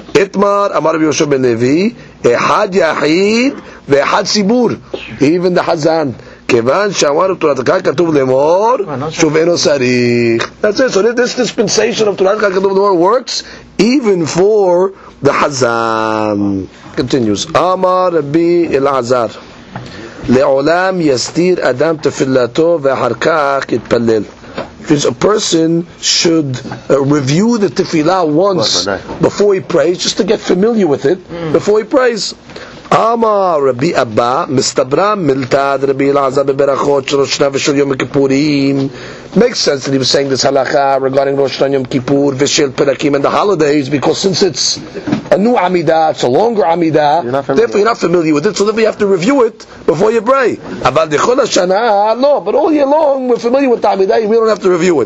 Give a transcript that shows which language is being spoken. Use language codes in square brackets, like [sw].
[he] Itmar Amar Rabbi Yosef ben Levi, Ehad Yahid, Ve'ehad Simur. [en] Even the Hazan. [he] Kevan Shamar of Turat Kaka Tuv Lemor, Shuveno Sarich. [en] That's it. So this dispensation of Turat Kaka Tuv Lemor works even for the Hazan. [he] Continues. Amar Rabbi Elazar. לעולם יסתיר אדם תפילתו ואחר כך יתפלל. [en] Because a person should review the tefillah once before he prays, just to get familiar with it before he prays. [he] אמר רבי אבא מסתברא מלתד רבי אלעזר בברכות של ראש השנה ושל יום הכיפורים. [en] Makes sense that he was saying this halakha regarding Rosh Hashanah Yom Kippur Vishil Perakim and the holidays, because since it's a new Amidah, it's a longer Amidah, therefore you're not familiar with it, so therefore you have to review it before you pray. But all year long we're familiar with the Amidah, we don't have to review it.